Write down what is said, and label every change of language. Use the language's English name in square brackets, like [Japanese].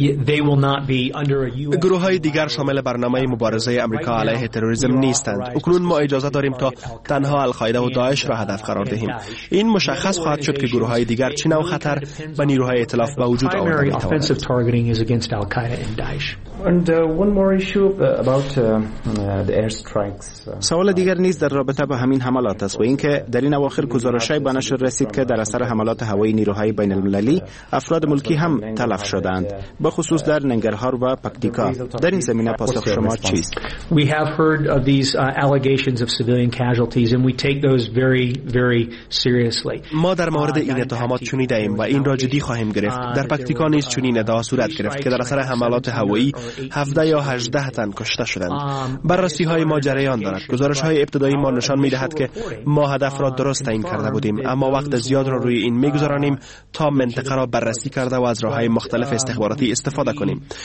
[English] They will not be under [Persian] گروه های دیگر شامل برنامه مبارزه امریکا علیه تروریسم نیستند. اکنون ما اجازه داریم تا تنها القاعده و داعش را هدف قرار دهیم. این مشخص خواهد شد که گروه های دیگر چه نوع خطر و نیروهای ائتلاف به وجود آوردند. [English] And one more issue about the air strikes. [Persian] سوال دیگر نیز در رابطه با همین حملات است و اینکه در این اواخر گزارش‌های به نشر رسید که در اثر حملات هوایی نیروهای بین‌المللی افراد ملکی هم تلف شدند، به خصوص در ننگرهار و پکتیکا. در این زمینه پاسخ شما چیست؟ [English] We have heard of these allegations of civilian casualties and we take those very very seriously. [Persian] ما در مورد این اتهامات شنیده‌ایم و این را جدی خواهیم گرفت. در پکتیکا نیز چنین ادعا صورت گرفت که در اثر حملات هوایی 17 یا 18 تن کشته شدند. بررسی های ما جریان دارد. گزارش های ابتدایی ما نشان می دهد که ما هدف را درست تعیین کرده بودیم، اما وقت زیاد را روی این می گذارانیم تا منطقه را بررسی کرده و از راه های مختلف استخباراتی استفاده کنیم.